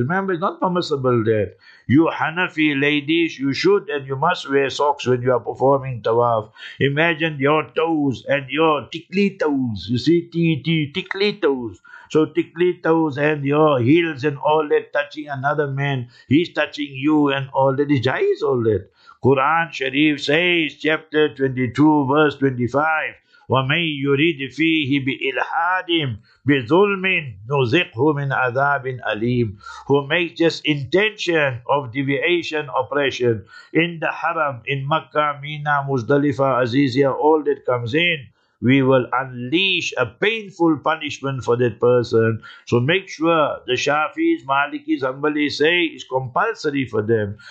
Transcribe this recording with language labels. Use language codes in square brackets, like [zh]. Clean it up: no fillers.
[en] Remember, it's not permissible that. You Hanafi ladies, you should and you must wear socks when you are performing tawaf. Imagine your toes and your tickly toes, you see, tickly toes. So tickly toes and your heels and all that touching another man, he's touching you and all that, is jais all that. Quran Sharif says, chapter 22, verse 25, [ar] وَمَنْ يُرِدْ فِيهِ بِإِلْحَادٍ بِظُلْمٍ نُزِقْهُ مِنْ عَذَابٍ أَلِيمٍ. [en] Who makes just intention of deviation, oppression, in the haram, in Makkah, Mina, Muzdalifa, Azizia, all that comes in, we will unleash a painful punishment for that person. So make sure the Shafi's, Maliki's, Hanbali's say it's compulsory for them.